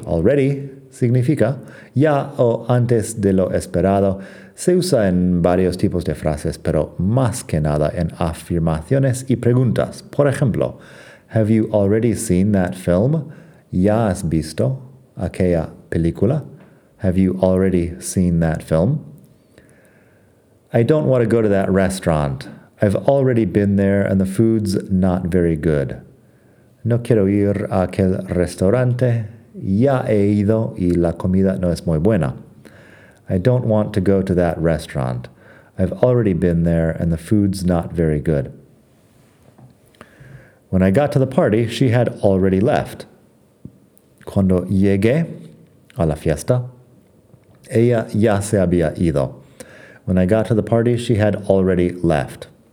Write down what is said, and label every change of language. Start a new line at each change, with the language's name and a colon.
Spanish: Already significa ya o antes de lo esperado. Se usa en varios tipos de frases, pero más que nada en afirmaciones y preguntas. Por ejemplo,
English: have you already seen that film?
Spanish: ¿Ya has visto aquella película?
English: Have you already seen that film? I don't want to go to that restaurant. I've already been there and the food's not very good.
Spanish: No quiero ir a aquel restaurante. Ya he ido y la comida no es muy buena.
English: I don't want to go to that restaurant. I've already been there and the food's not very good. When I got to the party, she had already left.
Spanish: Cuando llegué a la fiesta, ella ya se había ido.
English: When I got to the party, she had already left.